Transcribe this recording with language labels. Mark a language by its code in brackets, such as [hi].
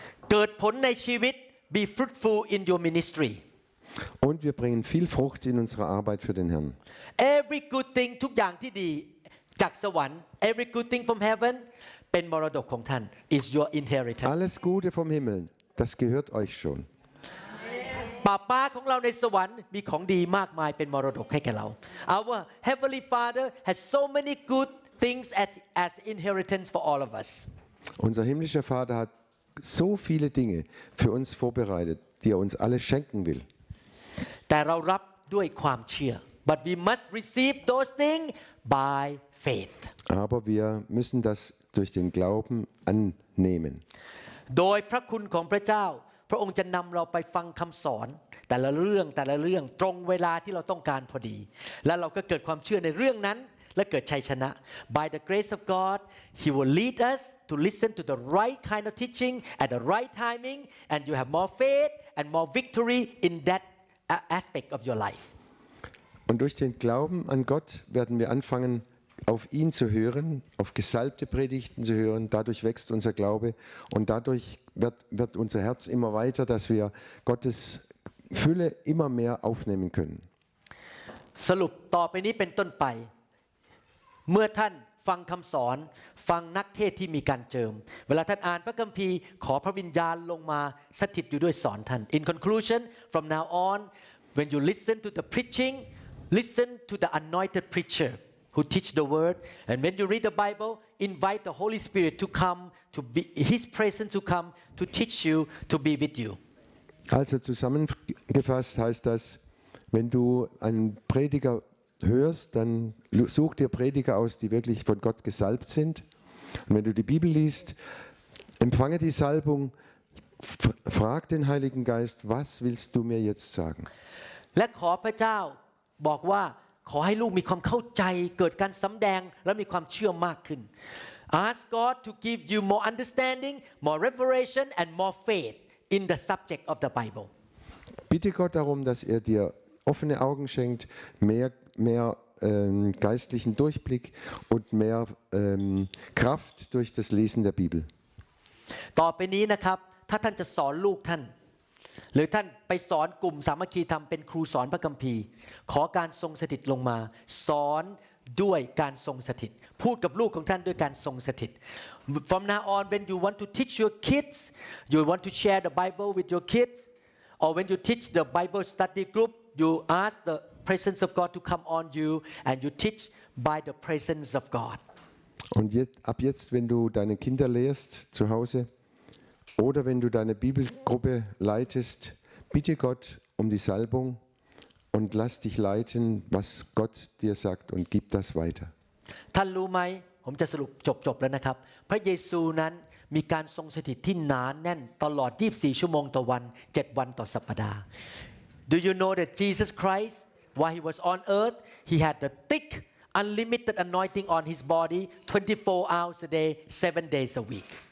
[th] เกิดผลในชีวิต [en] Be fruitful in your ministry. [de] Und wir bringen viel Frucht in unserer Arbeit für den Herrn. [en] Every good thing, [th] ทุกอย่างที่ดีจากสวรรค์ [en] Every good thing from heaven. [th] เป็นมรดกของท่าน [en] is your inheritance [de] alles gute vom himmel das gehört euch schon [th] ป้าป้าของเราในสวรรค์มีของดีมากมายเป็นมรดกให้แก่เรา [en] our heavenly father has so many good things as inheritance for all of us [de] unser himmlischer vater hat so viele dinge für uns vorbereitet die er uns alle schenken will [th] แต่เรารับด้วยความเชื่อ [en] but we must receive those things by faith [de] Aber wir müssen das durch den Glauben annehmen. [th] โดยพระคุณของพระเจ้าพระองค์จะนำเราไปฟังคำสอนแต่ละเรื่องแต่ละเรื่องตรงเวลาที่เราต้องการพอดีและเราก็เกิดความเชื่อในเรื่องนั้นและเกิดชัยชนะ [en] By the grace of God, He will lead us to listen to the right kind of teaching at the right timing, and you have more faith and more victory in that aspect of your life. [de] Und durch den Glauben an Gott werden wir anfangen. Auf ihn zu hören, auf gesalbte Predigten zu hören, dadurch wächst unser Glaube und dadurch wird unser Herz immer weiter, dass wir Gottes Fülle immer mehr aufnehmen können. [th] สรุปต่อไปนี้เป็นต้นไปเมื่อท่านฟังคำสอนฟังนักเทศที่มีการเจิมเวลาท่านอ่านพระคัมภีร์ขอพระวิญญาณลงมาสถิตอยู่ด้วยสอนท่าน [en] In conclusion, from now on, when you listen to the preaching, listen to the anointed preacherWho teach the word, and when you read the Bible, invite the Holy Spirit to come, to be His presence to come to teach you, to be with you. [de] Also zusammengefasst heißt das, wenn du einen Prediger hörst, dann such dir Prediger aus, die wirklich von Gott gesalbt sind. Und wenn du die Bibel liest, empfange die Salbung, frag den Heiligen Geist, was willst du mir jetzt sagen? [th] และขอพระเจ้าบอกว่าขอให้ลูกมีความเข้าใจเกิดการสำแดงและมีความเชื่อมากขึ้น [en] Ask God to give you more understanding, more revelation and more faith in the subject of the Bible. [de] Bitte Gott darum, dass er dir offene Augen schenkt, mehr geistlichen Durchblick und mehr Kraft durch das Lesen der Bibel. [th] ต่อไปนี้นะครับถ้าท่านจะสอนลูกท่านหรือท่านไปสอนกลุ่มสามัคคีธรรมเป็นครูสอนพระคัมภีร์ขอการทรงสถิตลงมาสอนด้วยการทรงสถิต [en] พูดกับลูกของท่านด้วยการทรงสถิต From now on when you want to teach your kids you want to share the Bible with your kids or when you teach the Bible study group you ask the presence of God to come on you and you teach by the presence of God [de] Und ab jetzt wenn du deine Kinder lehrst zu HauseOder wenn du deine Bibelgruppe leitest, bitte Gott um die Salbung und lass dich leiten, was Gott dir sagt und gib das weiter. [th] ท่านรู้ไหมผมจะสรุปจบๆแล้วนะครับพระเยซูนั้นมีการทรงสถิตที่หนาแน่นตลอด24ชั่วโมงต่อวัน7วันต่อสัปดาห์ [en] Do you know that Jesus Christ while he was on earth he had the thick unlimited anointing on his body 24 hours a day 7 days a week